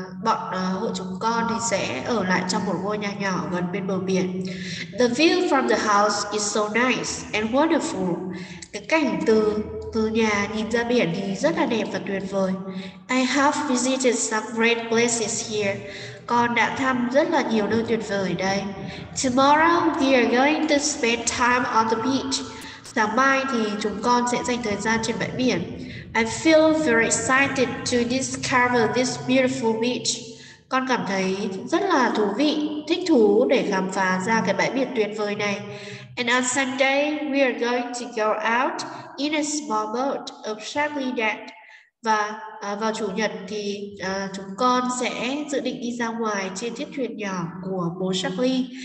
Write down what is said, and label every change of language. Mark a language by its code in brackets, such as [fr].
[vi] Bọn hội chúng con thì sẽ ở lại trong một ngôi nhà nhỏ gần bên bờ biển. [en] The view from the house is so nice and wonderful. [vi] Cái cảnh từ nhà nhìn ra biển thì rất là đẹp và tuyệt vời. [en] I have visited some great places here. [vi] Con đã thăm rất là nhiều nơi tuyệt vời ở đây. [en] Tomorrow we are going to spend time on the beach. [vi] Sáng mai thì chúng con sẽ dành thời gian trên bãi biển. [en] I feel very excited to discover this beautiful beach. [vi] Con cảm thấy rất là thú vị, thích thú để khám phá ra cái bãi biển tuyệt vời này. [en] And on Sunday, we are going to go out in a small boat of Charlie's dad. [vi] Và vào chủ nhật thì chúng con sẽ dự định đi ra ngoài trên chiếc thuyền nhỏ của bố Charlie.